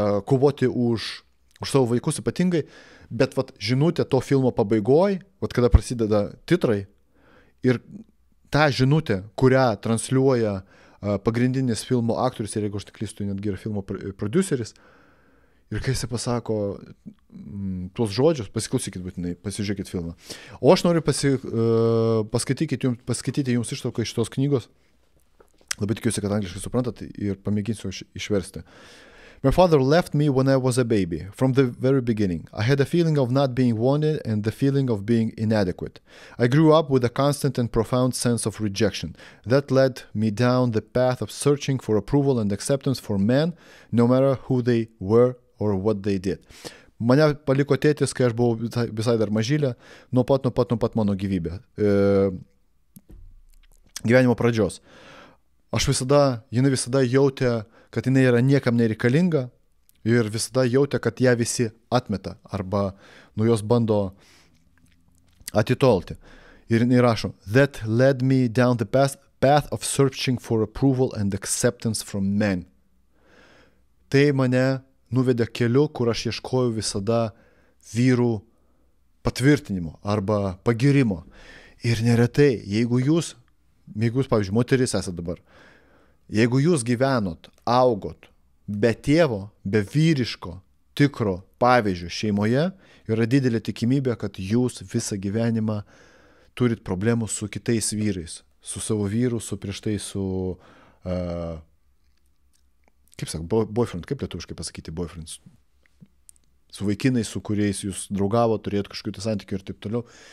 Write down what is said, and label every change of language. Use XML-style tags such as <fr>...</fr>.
<lt>kovoti už savo vaikus ypatingai, bet vat, žinutė to filmo pabaigoj, vat, kada prasideda titrai ir ta žinutė, kurią transliuoja pagrindinis filmo aktorius ir jeigu aš tiklystu, netgi yra filmo prodiuseris, ir kai jis pasako tuos žodžius, pasiklausykit būtinai, pasižiūrėkit filmą. O aš noriu paskaityti jums ištrauką iš tos knygos. Labai tikiuosi, kad angliškai suprantat ir pamėginsiu išversti.</lt> <en>My father left me when I was a baby, from the very beginning. I had a feeling of not being wanted and the feeling of being inadequate. I grew up with a constant and profound sense of rejection. That led me down the path of searching for approval and acceptance for men, no matter who they were or what they did.</en> <lt>Mane paliko tėtis, kai aš buvau visai dar mažylė, nuo pat mano gyvybė. Gyvenimo pradžios. Jinai visada jautė, kad jinai yra niekam nereikalinga ir visada jautė, kad ją visi atmeta arba nuo jos bando atitolti. Ir jinai rašo,</lt> <en>that led me down the path of searching for approval and acceptance from men.</en> <lt>Tai mane nuvedė keliu, kur aš ieškojau visada vyrų patvirtinimo arba pagyrimo. Ir neretai, jeigu jūs, pavyzdžiui, moteris esat dabar, jeigu jūs gyvenot, augot be tėvo, be vyriško, tikro pavyzdžio šeimoje, yra didelė tikimybė, kad jūs visą gyvenimą turit problemų su kitais vyrais, su savo vyru, su prieš tai su kaip sako, boyfriend, kaip lietuviškai pasakyti boyfriend, su vaikinai, su kuriais jūs draugavo, turėt kažkokių tai santykių ir taip toliau.</lt>